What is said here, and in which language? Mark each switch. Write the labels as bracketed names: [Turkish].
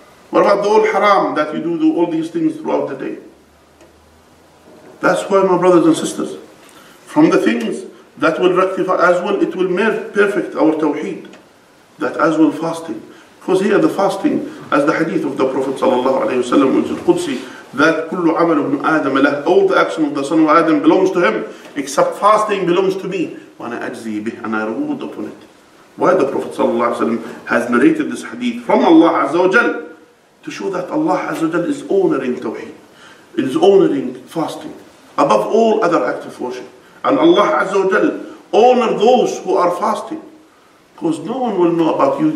[English] What about the old haram that you do all these things throughout the day? That's why, my brothers and sisters, from the things that will rectify as well, it will make perfect our tawheed, that as well fasting. Because here the fasting, as the hadith of the Prophet sallallahu alayhi wa sallam, in Qudsi, that [Arabic] kullu amal ibn Adam, [English] all the action of the son of Adam belongs to him, except fasting belongs to me. [Arabic] وَأَنَا أَجْزِي بِهِ أَنَا [English] reward upon it. Why the Prophet ﷺ has narrated this hadith from Allah Azza wa Jal to show that Allah Azza wa Jal is honoring tawheed, is honoring fasting above all other acts of worship. And Allah Azza wa Jal honor those who are fasting, because no one will know about you.